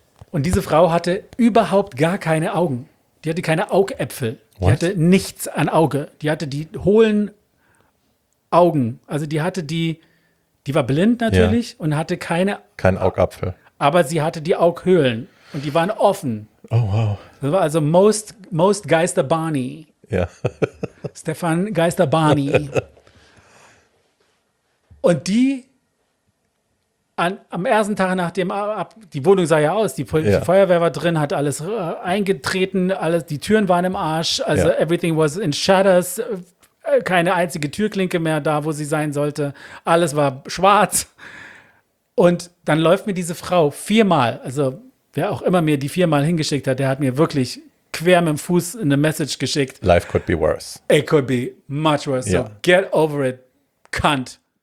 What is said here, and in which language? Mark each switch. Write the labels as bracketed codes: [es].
[de] Und diese Frau hatte überhaupt gar keine Augen. Die hatte keine Augäpfel. What? Die hatte nichts an Auge. Die hatte die hohlen Augen. Also die hatte die war blind natürlich und hatte keine. Kein Augapfel. Aber sie hatte die Augenhöhlen und die waren offen. [en] Oh wow. [de] Das war also most Geister Barney. Ja. Stefan Geister Barney. Und die am ersten Tag nach dem die Wohnung sah ja aus, die Feuerwehr war drin, hat alles eingetreten, alles, die Türen waren im Arsch, also [en] everything was in shadows, [de] keine einzige Türklinke mehr da, wo sie sein sollte, alles war schwarz. Und dann läuft mir diese Frau 4-mal, also wer auch immer mir die 4-mal hingeschickt hat, der hat mir wirklich quer mit dem Fuß eine Message geschickt. [en] Life could be worse. It could be much worse, so get over it, cunt.